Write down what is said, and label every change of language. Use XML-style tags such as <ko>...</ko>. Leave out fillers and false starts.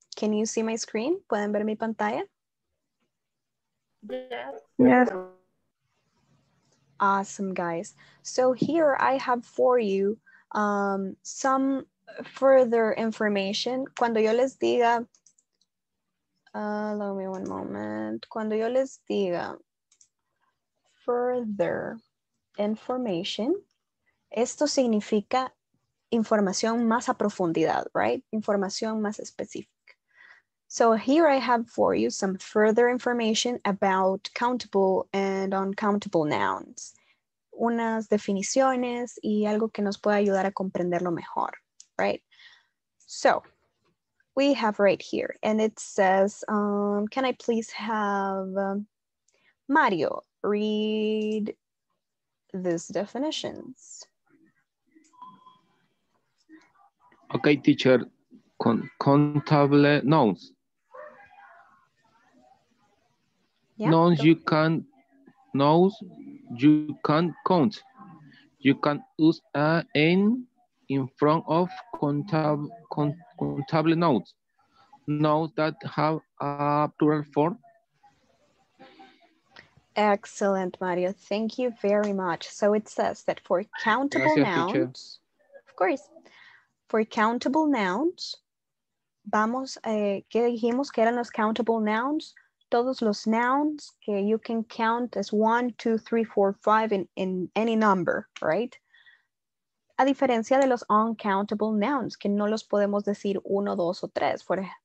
<en>Can you see my screen?</en> <es>¿Pueden ver mi pantalla?</es> <en>Yes. Awesome, guys. So here I have for you some further information.</en> <es>Cuando yo les diga,</es> <en>allow me one moment.</en> <es>Cuando yo les diga further information, esto significa información más a profundidad, right? Información más específica.</es> <en>So here I have for you some further information about countable and uncountable nouns.</en> <es>Unas definiciones y algo que nos pueda ayudar a comprenderlo mejor, right?</es> <en>So we have right here, and it says, can I please have Mario read these definitions? Okay, teacher, countable nouns. Yeah. Nouns you can, nouns you can count. You can use a n in front of countable nouns. Nouns that have a plural form. Excellent, Mario. Thank you very much. So it says that for countable Gracias, nouns, teacher. Of course.</en> <es>For countable nouns, vamos, ¿qué dijimos que eran los countable nouns? Todos los</es> <en>nouns que you can count as 1, 2, 3, 4, 5 in any number, right?</en> <es>A diferencia de los uncountable nouns, que no los podemos decir 1, 2, or 3.</es>